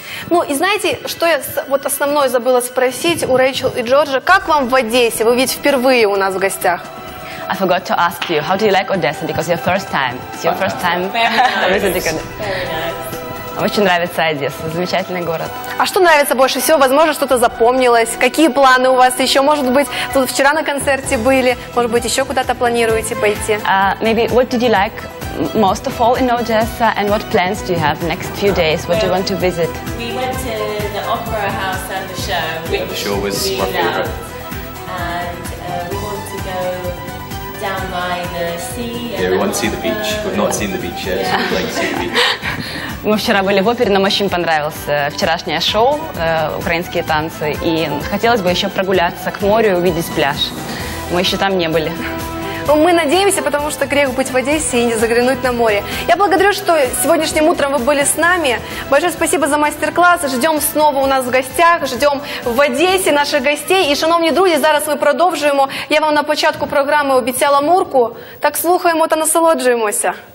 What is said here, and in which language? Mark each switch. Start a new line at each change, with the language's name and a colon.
Russian: Ну, и знаете, что я вот основное забыла спросить у Рэйчел и Джорджа? Как вам в Одессе? Вы ведь впервые у нас в гостях.
English: I forgot to ask you, how do you like Odessa? Because your first time. It's your first time. Very nice.
Russian: Очень нравится Одесса, замечательный город. А что нравится больше всего? Возможно, что-то запомнилось. Какие планы у вас еще? Может быть, тут вчера на концерте были. Может быть, еще куда-то планируете пойти?
English: Maybe, what did you like most of all in Odessa? And what plans do you have next few days? What do you want to visit? We went to the opera house and the show. Yeah, the show was my favorite. And we want to go down by the sea. Yeah, we want to see the beach. We've not seen the beach yet, so we'd like to see the beach.
Russian: Мы вчера были в опере, нам очень понравилось вчерашнее шоу, украинские танцы, и хотелось бы еще прогуляться к морю и увидеть пляж. Мы еще там не были. Ну, мы надеемся, потому что грех быть в Одессе и не заглянуть на море. Я благодарю, что сегодняшним утром вы были с нами. Большое спасибо за мастер-класс. Ждем снова у нас в гостях, ждем в Одессе наших гостей.
Ukrainian: И, шановні друзі, зараз ми продовжуємо. Я вам на початку програми обіцяла мурку. Так слухаємо та насолоджуємося.